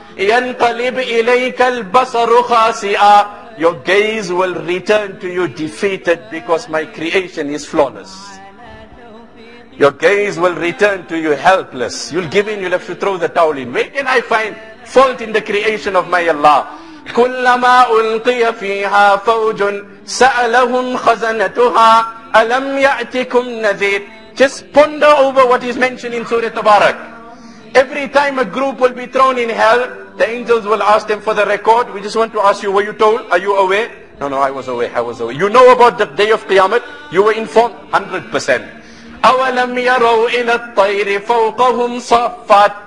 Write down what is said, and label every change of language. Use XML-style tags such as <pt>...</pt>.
<ar>يَنْقَلِبْ إِلَيْكَ الْبَصَرُ خَاسِئًا.</ar> <en>Your gaze will return to you defeated because my creation is flawless. Your gaze will return to you helpless. You'll give in, you'll have to throw the towel in. Where can I find fault in the creation of my Allah?</en> <ar>كلما ألقي فيها فوج سألهم خزنتها ألم يأتكم نذير.</ar> <en>Just ponder over what is mentioned in Surah Tabarak. Every time a group will be thrown in hell, the angels will ask them for the record. We just want to ask you, were you told? Are you aware? No, I was aware. You know about the day of Qiyamah? You were informed? 100%.</en> <ar>أَوَلَمْ يَرَوْا إِلَى الطَّيْرِ فَوْقَهُمْ صَفَّاتٍ.</ar>